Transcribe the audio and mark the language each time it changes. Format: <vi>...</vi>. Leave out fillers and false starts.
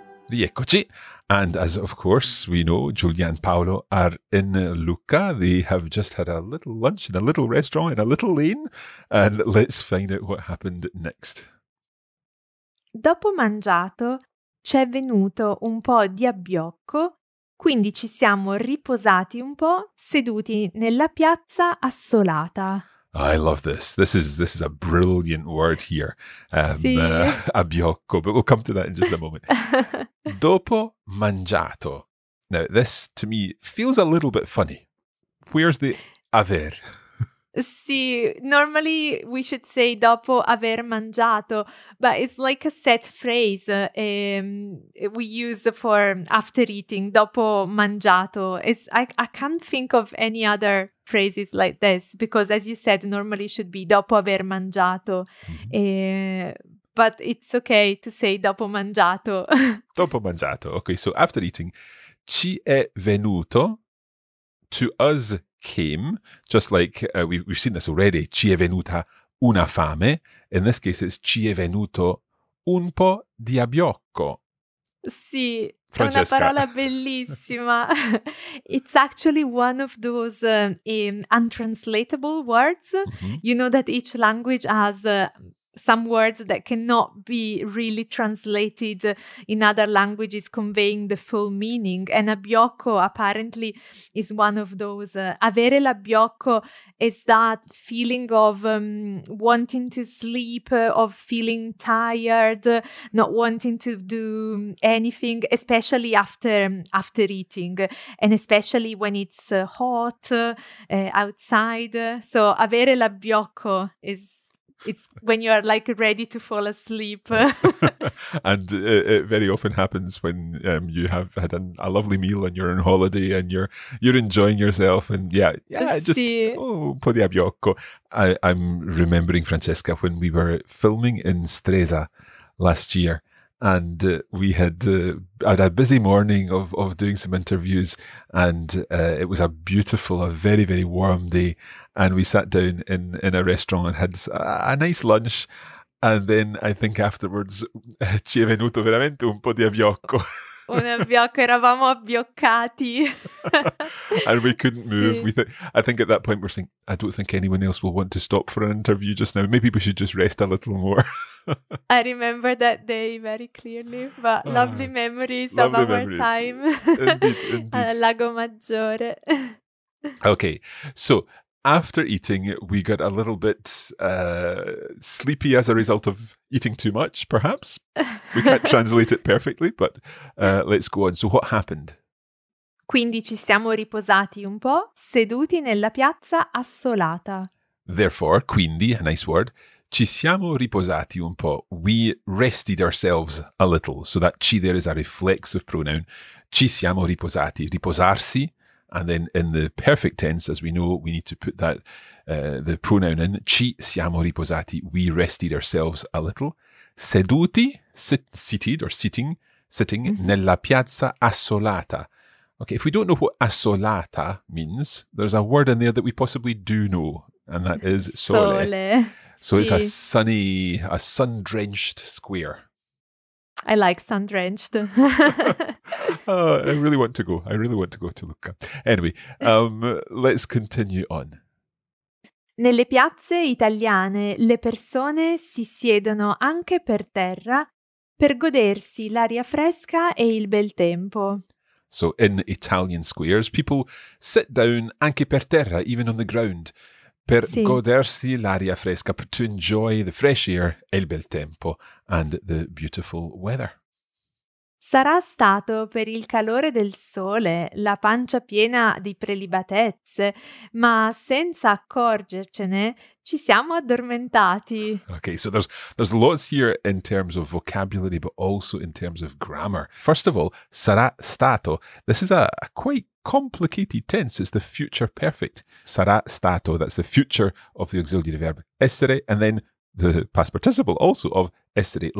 <it>Rieccoci.</it> <en>And as of course we know, Giulia and Paolo are in Lucca. They have just had a little lunch in a little restaurant in a little lane. And let's find out what happened next.</en> <it>Dopo mangiato, c'è venuto un po' di abbiocco, quindi ci siamo riposati un po' seduti nella piazza assolata.</it> <en>I love this. This is a brilliant word here. Abbiocco, but we'll come to that in just a moment.</en> <it>Dopo mangiato.</it> <en>Now, this to me feels a little bit funny. Where's the aver?</en> <it>Sì,</it> <en>normally we should say</en> <it>dopo aver mangiato,</it> <en>but it's like a set phrase we use for after eating,</en> <it>dopo mangiato.</it> <en>I can't think of any other phrases like this, because as you said, normally it should be</en> <it>dopo aver mangiato,</it> <en>but it's okay to say</en> <it>dopo mangiato. Dopo mangiato,</it> <en>okay, so after eating.</en> <it>Ci è venuto,</it> <en>to us came, just like we've seen this already,</en> <it>ci è venuta una fame.</it> <en>In this case, it's</en> <it>ci è venuto un po' di abbiocco. Sì, Francesca. È una parola bellissima.</it> <en>It's actually one of those untranslatable words. Mm-hmm. You know that each language has some words that cannot be really translated in other languages conveying the full meaning. And abbiocco apparently is one of those.</en> <it>Avere l'abbiocco</it> <en>is that feeling of wanting to sleep, of feeling tired, not wanting to do anything, especially after eating, and especially when it's hot outside. So</en> <it>avere l'abbiocco</it> <en>is... it's when you are like ready to fall asleep. And it very often happens when you have had a lovely meal and you're on holiday and you're enjoying yourself. And just,</en> <it>un po' di abbiocco.</it> <en>I'm remembering, Francesca, when we were filming in Stresa last year and we had had a busy morning of doing some interviews, and it was a beautiful, a very, very warm day. And we sat down in a restaurant and had a nice lunch. And then I think afterwards,</en> <it>ci è venuto veramente un po' di abbiocco. Un abbiocco, eravamo abbioccati.</it> <en>And we couldn't move.</en> <it>Sì.</it> <en>I think at that point we're saying, I don't think anyone else will want to stop for an interview just now. Maybe we should just rest a little more. I remember that day very clearly, but lovely memories of our time. Indeed. Lago Maggiore. Okay, so... after eating, we got a little bit sleepy as a result of eating too much, perhaps. We can't translate it perfectly, but let's go on. So what happened?</en> <it>Quindi ci siamo riposati un po', seduti nella piazza assolata.</it> <en>Therefore,</en> <it>quindi,</it> <en>a nice word,</en> <it>ci siamo riposati un po'.</it> <en>We rested ourselves a little. So that ci there is a reflexive pronoun.</en> <it>Ci siamo riposati. Riposarsi.</it> <en>And then in the perfect tense, as we know, we need to put that the pronoun in.</en> <it>Ci siamo riposati.</it> <en>We rested ourselves a little.</en> <it>Seduti,</it> <en>sitting mm-hmm.</en> <it>nella piazza assolata.</it> <en>Okay, if we don't know what assolata means, there's a word in there that we possibly do know, and that is sole. So</en> <it>sì.</it> <en>It's a sun-drenched square. I like sun-drenched. I really want to go to Lucca. Anyway, let's continue on.</en> <it>Nelle piazze italiane le persone si siedono anche per terra per godersi l'aria fresca e il bel tempo.</it> <en>So in Italian squares, people sit down</en> <it>anche per terra,</it> <en>even on the ground,</en> <it>per sì. godersi l'aria fresca,</it> <en>to enjoy the fresh air</en> <it>e il bel tempo</it> <en>and the beautiful weather.</en> <it>Sarà stato per il calore del sole, la pancia piena di prelibatezze, ma senza accorgercene ci siamo addormentati.</it> <en>Okay, so there's lots here in terms of vocabulary, but also in terms of grammar. First of all,</en> <it>sarà stato.</it> <en>This is a quite complicated tense. It's the future perfect.</en> <it>Sarà stato,</it> <en>that's the future of the auxiliary verb essere, and then the past participle also of essere.</en>